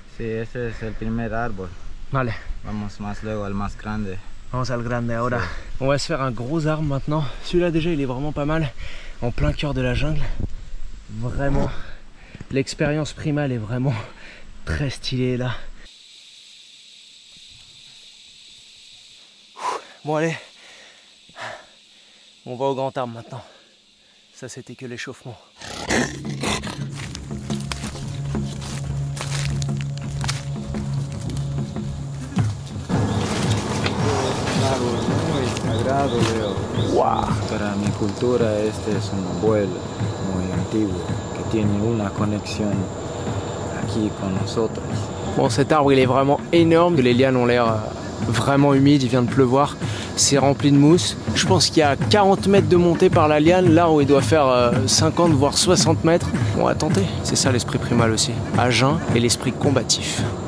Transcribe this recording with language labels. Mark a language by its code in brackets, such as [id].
[es] Sí, ese es el primer árbol. Vale. Vamos más luego al más grande. Vamos al grande ahora. Sí. [fr] On va se faire un gros arbre maintenant. Celui-là déjà, il est vraiment pas mal. En plein cœur de la jungle. Vraiment. L'expérience primale est vraiment très stylée là. Bon allez. On va au grand arbre maintenant. Ça c'était que l'échauffement. Leo. Wow. [es] Para mi cultura este es un abuelo muy antiguo que tiene una conexión aquí con nosotros. [fr] Bon, cet arbre il est vraiment énorme. Les lianes ont l'air vraiment humides, il vient de pleuvoir, c'est rempli de mousse. Je pense qu'il y a 40 mètres de montée par la liane, là où il doit faire 50 voire 60 mètres. On va tenter. C'est ça l'esprit primal aussi, à jeun et l'esprit combatif.